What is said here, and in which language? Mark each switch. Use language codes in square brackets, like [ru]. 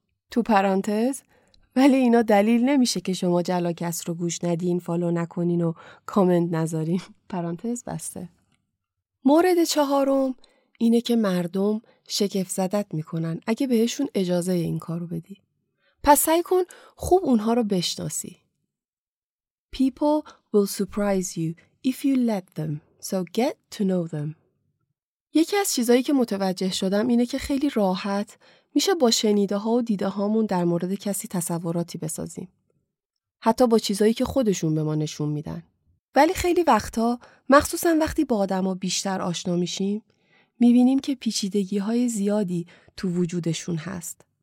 [fa] تو پرانتز، ولی اینا دلیل نمیشه که شما جلاکست رو گوش ندین، فالو نکنین و کامنت نذارین. پرانتز بسته. مورد چهارم اینه که مردم شگفت زدت میکنن اگه بهشون اجازه این کارو بدی. پس سعی کن خوب اونها رو بشناسی. [en] People will surprise you if you let them, so get to know them. [fa] یکی از چیزایی که متوجه شدم اینه که خیلی راحت میشه با شنیده ها و دیده هامون در مورد کسی تصوراتی بسازیم. حتی با چیزایی که خودشون به ما نشون میدن. ولی خیلی وقتا، مخصوصا وقتی با آدم ها بیشتر آشنا میشیم، میبینیم که پیچیدگی های زیادی تو وجودشون هست.